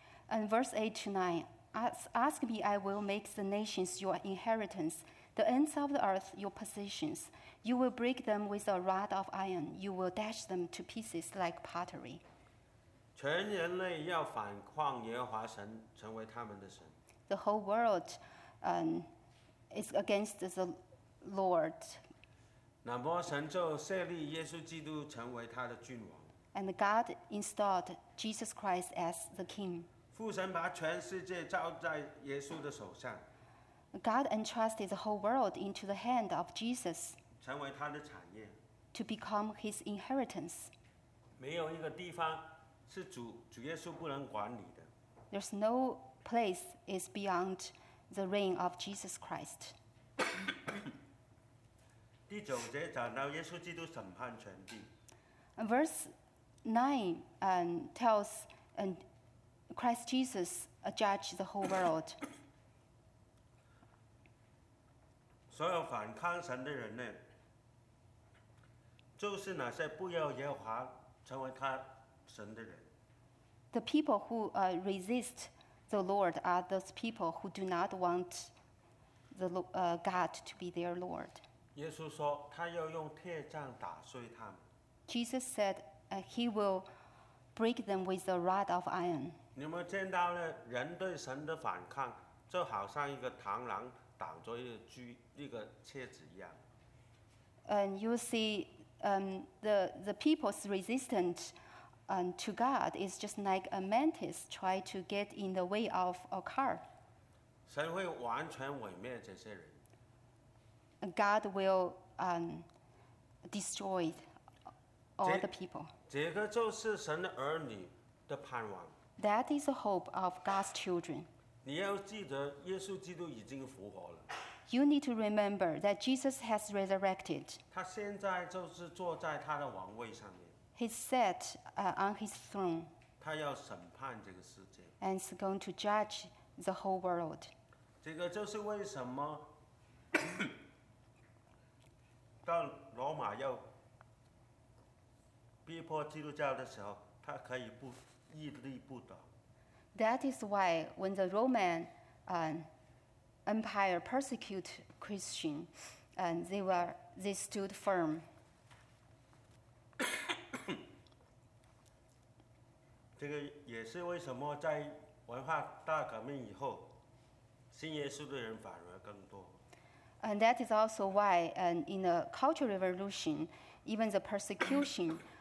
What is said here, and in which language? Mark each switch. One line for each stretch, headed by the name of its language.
English: And verse 8 to 9, ask me, I will make the nations your inheritance, the ends of the earth your possessions. You will break them with a rod of iron. You will dash them to pieces like pottery.
Chinese: 全人类要反抗耶和华神，成为他们的神。
English: The whole world, is against the Lord.
Chinese: 那么神就设立耶稣基督成为他的君王。
English: And God installed Jesus Christ as the king.
Chinese: 父神把全世界交在耶稣的手上。
English: God entrusted the whole world into the hand of Jesus.
Chinese: 成为他的产业。
English: To become his inheritance.
Chinese: 没有一个地方是主耶稣不能管理的。
English: There's no place is beyond the reign of Jesus Christ.
Chinese: 第九节讲到耶稣基督审判全地。
English: Verse 9 tells Christ Jesus judge the whole world.
Chinese: 所有反抗神的人呢，就是那些不要耶和华成为他神的人。
English: The people who resist the Lord are those people who do not want the God to be their Lord.
Chinese: 耶稣说，他要用铁杖打碎他们。
English: Jesus said. He will break them with a rod of iron.
Chinese: 你们见到了人对神的反抗，就好像一个螳螂挡着一个蝎子一样。
English: And you see, the people's resistance, to God is just like a mantis try to get in the way of a car.
Chinese: 神会完全毁灭这些人。
English: God will, destroy all the people.
Chinese: 这个就是神的儿女的盼望。
English: That is the hope of God's children.
Chinese: 你要记得，耶稣基督已经复活了。
English: You need to remember that Jesus has resurrected.
Chinese: 他现在就是坐在他的王位上面。
English: He sat on his throne.
Chinese: 他要审判这个世界。
English: And is going to judge the whole world.
Chinese: 这个就是为什么到罗马要。逼迫基督教的时候，他可以不屹立不倒。
English: That is why when the Roman Empire persecuted Christians, and they stood firm.
Chinese: 这个也是为什么在文化大革命以后，信耶稣的人反而更多。
English: And that is also why, in the Cultural Revolution, even the persecution.